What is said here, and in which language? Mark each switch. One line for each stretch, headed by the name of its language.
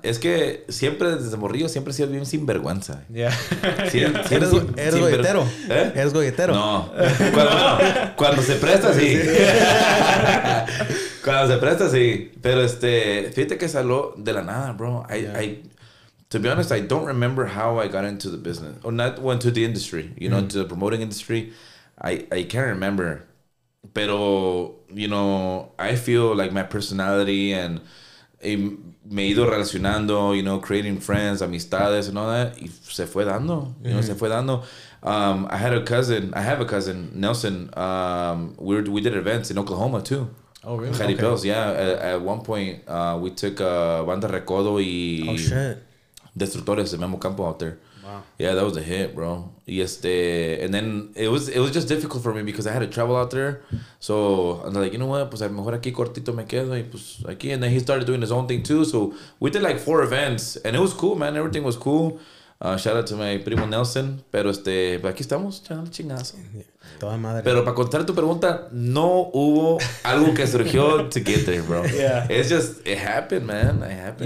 Spanish: Es que siempre desde morrillo siempre he sido bien sinvergüenza. Yeah. ¿Eres golletero? ¿Eres golletero? No. Cuando se presta, sí. Cuando se presta, sí. Pero fíjate que salió de la nada, bro.
English: To be honest, I don't remember how I got into the business. Or not went to the industry. You know, to the promoting industry. I can't remember. Pero, you know, I feel like my personality and
Spanish: me he ido relacionando,
English: you know, creating friends, amistades, and all that.
Spanish: Y se fue dando. You know, se fue dando.
English: I have a cousin, Nelson. We did events in Oklahoma, too. Oh, really? Hattie okay. Bells, yeah. At one point, we took Banda Recodo y... Oh, shit.
Spanish: Destructores de Memo Campo out there.
English: Wow. Yeah, that was a hit, bro. And then it was just difficult for me because I had to travel out there. So I'm like, you know what?
Spanish: Pues a mejor aquí cortito me quedo y pues aquí.
English: And then he started doing his own thing too. So we did like 4 events and it was cool, man. Everything was cool. Shout out to my primo Nelson.
Spanish: Pero aquí estamos, chingando chingazo. Toda madre. Pero para contestar tu pregunta, no hubo algo que surgió
English: to get there, bro. Yeah. It's just, it happened, man. It happened.